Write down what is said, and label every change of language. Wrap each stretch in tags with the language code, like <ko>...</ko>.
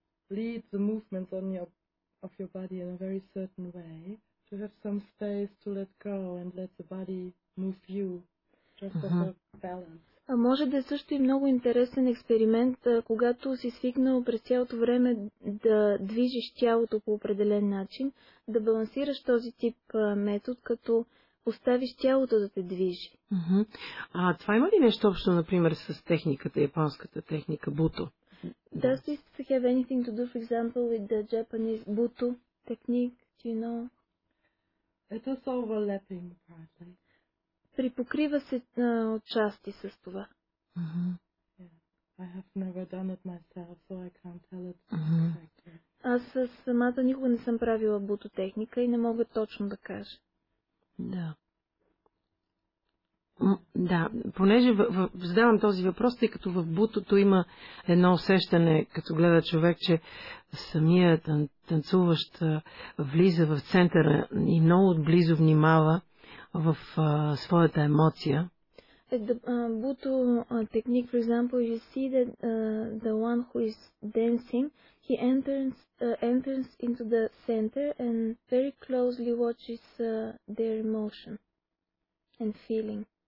<en>Lead the movements on your body in a very certain way, to have some space to let go and let the body move you, just as a balance.</en> <bg>А може да е също и много интересен експеримент, когато си свикнал през цялото време да движиш тялото по определен начин, да балансираш този тип метод, като оставиш тялото да те движи. А това има ли нещо общо, например, с техниката, японската техника, буто?</bg> <en>Does this have anything to do, for example, with the Japanese Butoh technique, do you know? It is overlapping, partly.</en> <bg>Припокрива се отчасти с това.</bg> <en>I have never done it myself, so I can't tell it.</en> <bg>Аз самата никога не съм правила Butoh техника и не мога точно да кажа. Да. Да, понеже задавам този въпрос, тъй като в бутото има едно усещане, като гледа човек, че самият танцуващ влиза в центъра и много отблизо внимава в своята емоция.</bg> <en>The Bhutto technique, for example, you see that the one who is dancing, he enters into the center and very closely watches their emotion and feeling.</en>